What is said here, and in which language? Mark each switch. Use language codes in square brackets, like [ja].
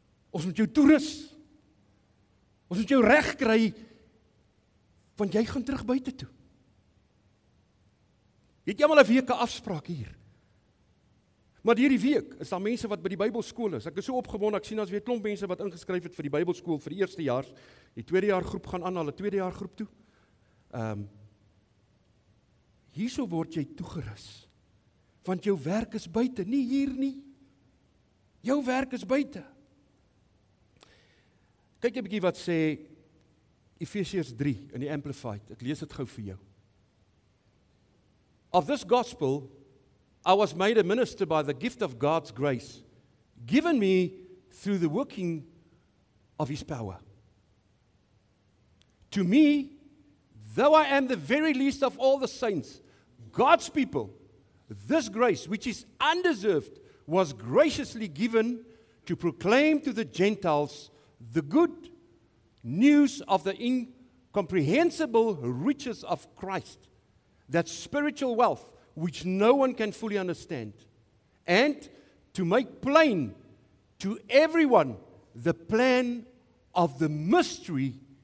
[af] Ons moet jou toerus. Ons moet jou reg kry, want jy gaan terug buite toe. Jy het jammal 'n week 'n afspraak hier. Maar hierdie week is daar mense wat by die Bybelskool is. Ek is so opgewonde, ek sien as weer klomp mense wat ingeskryf het vir die Bybelskool vir die eerste jaar. Die tweede jaar groep gaan aan, hulle tweede jaar groep toe. Hierso word jy toegerus, want jou werk is buite, nie hier nie. Jou werk is buite. Kyk 'n bietjie wat sê Efesiërs 3 in die Amplified. Ek lees dit gou vir jou. [en] Of this gospel, I was made a minister by the gift of God's grace, given me through the working of His power. To me, though I am the very least of all the saints, God's people, this grace, which is undeserved, was graciously given to proclaim to the Gentiles the good news of the incomprehensible riches of Christ, that spiritual wealth which no one can fully understand, and to make plain to everyone the plan of the mystery